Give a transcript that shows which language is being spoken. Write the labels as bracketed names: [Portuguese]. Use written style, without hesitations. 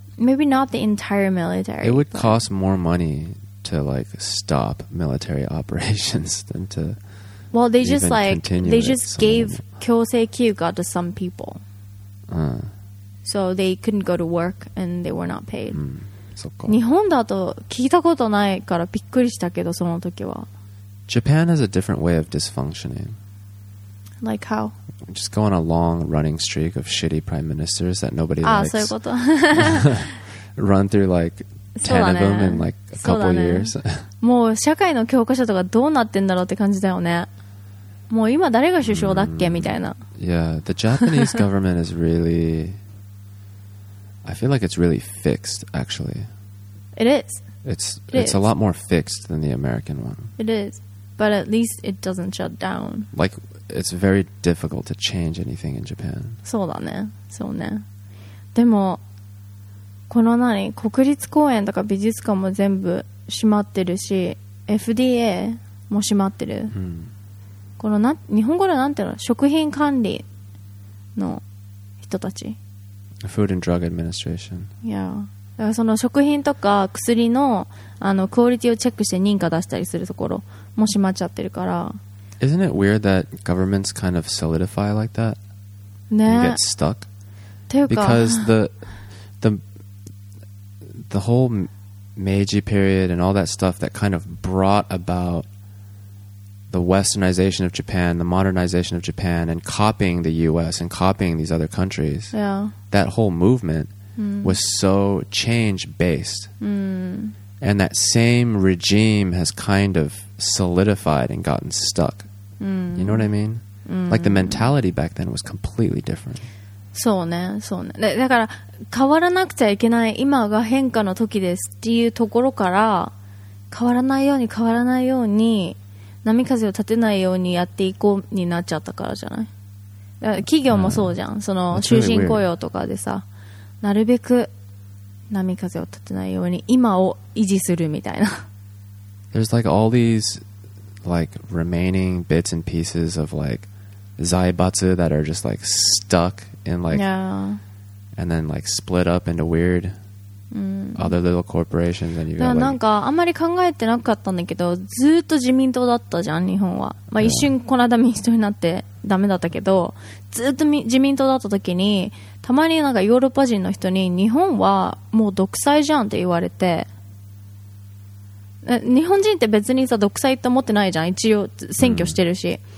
[English] Maybe not the entire military. It would cost more money to like stop military operations than to. Well, they just like they just gave [Japanese] 強制休暇 [English] to some people. So they couldn't go to work and they were not paid. [Japanese] そっか。日本だと聞いたことないからびっくりしたけど、その時は。 [English] Japan has a different way of dysfunctioning. Like how? Just go on a long running streak of shitty prime ministers that nobody likes. [Japanese] そういうこと。 [English] Run through like 10 of them in like a couple years. [Japanese] もう社会の教科書とかどうなってんだろうって感じだよね。もう今誰が首相だっけ、みたいな。 [English] Yeah, the Japanese government is really... I feel like it's really fixed, actually. It is. It's a lot more fixed than the American one. It is. But at least it doesn't shut down. Like, it's very difficult to change anything in Japan. [Japanese] そうだね。そうね。でも、この何、国立公園とか美術館も全部閉まってるし、FDA も閉まってる。うん。このな日本語でなんていうの、食品管理の人たち、 [English] Food and Drug Administration、 yeah、 [Japanese] だからその食品とか薬 の、 あのクオリティをチェックして認可出したりするところも閉まっちゃってるから。 [English] Isn't it weird that governments kind of solidify like that? [Japanese] ね、 [English] and get stuck? [Japanese] というか [English] because the whole Meiji period and all that stuff that kind of brought aboutthe westernization of Japan, the modernization of Japan, and copying the U.S. and copying these other countries, yeah. That whole movement was so change-based. And that same regime has kind of solidified and gotten stuck. You know what I mean? Like the mentality back then was completely different. [Japanese] そうね、そうね。だから変わらなくちゃいけない今が変化の時ですっていうところから変わらないように変わらないように波風を立てないようにやっていこうになっちゃったからじゃない？企業もそうじゃん、その終身雇用とかでさ、なるべく波風を立てないように今を維持するみたいな。 There's like all these like remaining bits and pieces of like 財閥 that are just like stuck in like、 yeah. and then like split up into weirdother little corporations and you got like... なんかあんまり考えてなかったんだけど、ずっと自民党だったじゃん、日本は。まあ、一瞬この間民主党になってダメだったけど、ずっと自民党だった時に、たまになんかヨーロッパ人の人に、日本はもう独裁じゃんって言われて、日本人って別にさ、独裁って思ってないじゃん、一応選挙してるし。